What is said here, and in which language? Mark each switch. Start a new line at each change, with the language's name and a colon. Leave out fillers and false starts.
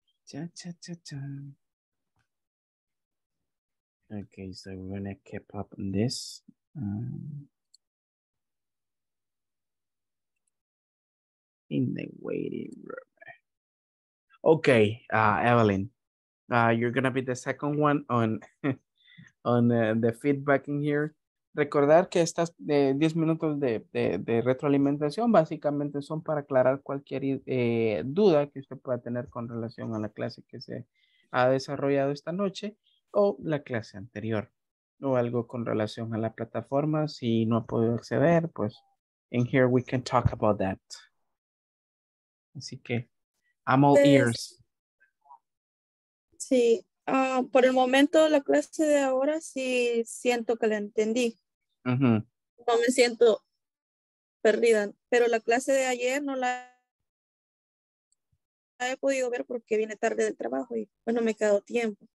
English: Okay, so we're gonna keep up on this. In the waiting room. Okay, Evelyn, you're gonna be the second one on the feedback in here.
Spanish: Recordar que estas 10 minutos de retroalimentación básicamente son para aclarar cualquier duda que usted pueda tener con relación a la clase que se ha desarrollado esta noche o la clase anterior, o algo con relación a la plataforma. Si no ha podido acceder, pues
English: in here we can talk about that.
Spanish: Así que
English: I'm all ears.
Spanish: Sí, por el momento la clase de ahora sí siento que la entendí. No me siento perdida, pero la clase de ayer no la he podido ver porque vine tarde del trabajo y pues no me he quedado tiempo.